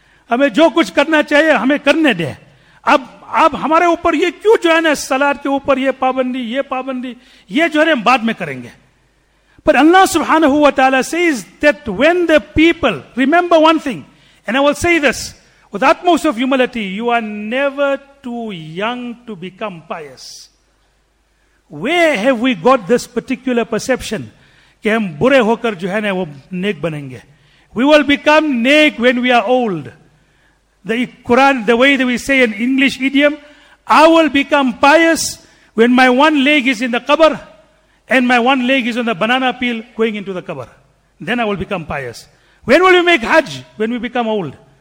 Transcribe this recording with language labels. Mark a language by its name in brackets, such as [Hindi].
[Urdu] ہمیں جو کچھ کرنا چاہیے ہمیں کرنے دیں. اب ہمارے اوپر یہ کیوں جو ہے نا سلاد کے اوپر یہ پابندی یہ جو ہے بعد میں کریں گے. [English] But Allah subhanahu wa ta'ala says that when the people, remember one thing, and I will say this with utmost of humility, you are never too young to become pious. Where have we got this particular perception [Urdu] کہ ہم برے ہو کر جو ہے نا وہ نیک بنیں گے. [English] We will become نیک when we are old. The Quran, the way that we say in English idiom, I will become pious when my one leg is in the qabr and my one leg is on the banana peel going into the qabr. Then I will become pious. When will we make hajj? When we become old.